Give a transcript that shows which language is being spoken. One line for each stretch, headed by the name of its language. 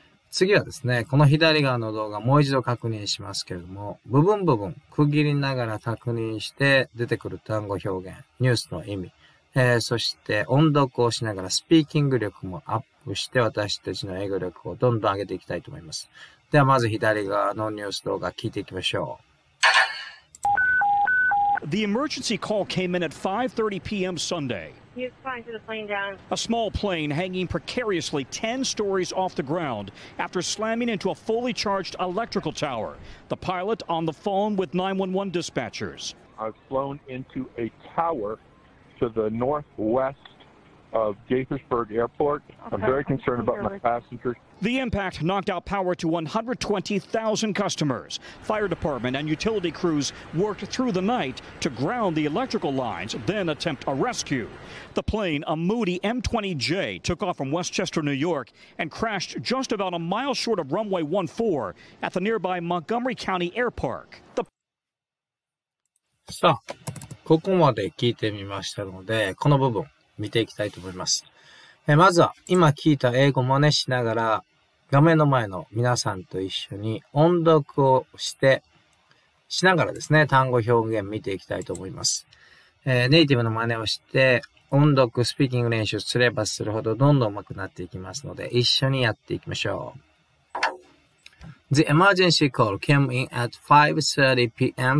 Japanese: 次はですね、この左側の動画もう一度確認しますけれども、部分部分区切りながら確認して、出てくる単語表現、ニュースの意味、そして音読をしながらスピーキング力もアップして、私たちの英語力をどんどん上げていきたいと思います。ではまず左側のニュース動画聞いていきましょう。
English: The emergency call came in at 5:30 p.m. Sunday He is trying to the plane down. A small plane hanging precariously 10 stories off the ground after slamming into a fully charged electrical tower. The pilot on the phone with 911 dispatchers. I've flown into a tower to the northwest of Gaithersburg Airport. Okay. I'm very concerned about my passengers. The impact knocked out power to 120,000 customers. Fire department and utility crews worked through the night to ground the electrical lines, then attempt a rescue. The plane, a Moody M20J, took off from Westchester, New York, and crashed just about a mile short of runway 14 at the nearby Montgomery County Airport.
Japanese: さあ、ここまで聞いてみましたので、この部分見ていきたいと思います。まずは今聞いた英語を真似しながら画面の前の皆さんと一緒に音読をしてしながらですね、単語表現見ていきたいと思います。ネイティブの真似をして音読スピーキング練習すればするほどどんどん上手くなっていきますので、一緒にやっていきましょう。
English: The emergency call came in at 5:30 p.m.